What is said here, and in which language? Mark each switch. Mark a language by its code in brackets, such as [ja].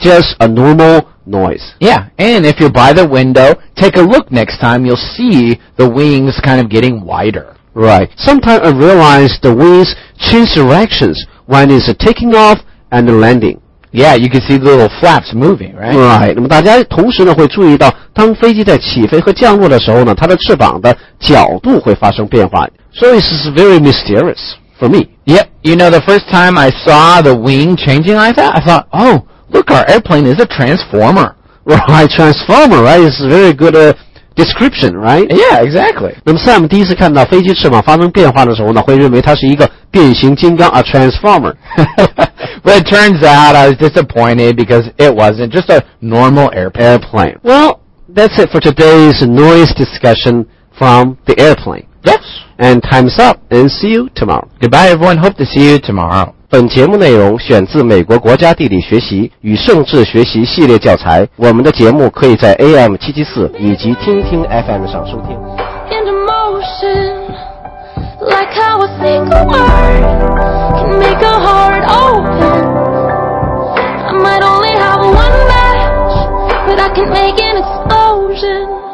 [en] Just a normal noise. Yeah. And if you're by the window, take a look next time. You'll see the wings kind of getting wider. Right. Sometimes I realize the wings change directions when it's taking off and landing. Yeah, you can see the little flaps moving, right? Right. [zh] 那么大家同时呢会注意到，当飞机在起飞和降落的时候呢，它的翅膀的角度会发生变化。 [en] So this is very mysterious for me. Yep. You know, the first time I saw the wing changing like that, I thought, oh, look, our airplane is a transformer. Right. Transformer, right? It's a very good description, right? Yeah, exactly. [zh] 那么 Sam 第一次看到飞机翅膀发生变化的时候呢，会认为它是一个变形金刚 ， [en] a transformer. But it turns out I was disappointed because it wasn't just a normal airplane. Well, that's it for today's noise discussion from the airplane. Yes. And time's up. And see you tomorrow. Goodbye, everyone. Hope to see you tomorrow. [zh] 本节目内容选自美国国家地理学习与政治学习系列教材。我们的节目可以在 AM 774以及听听 FM 上收听。 [en] In emotion, like how I think a word can make a heart open. I might only have one match, but I can make an explosion.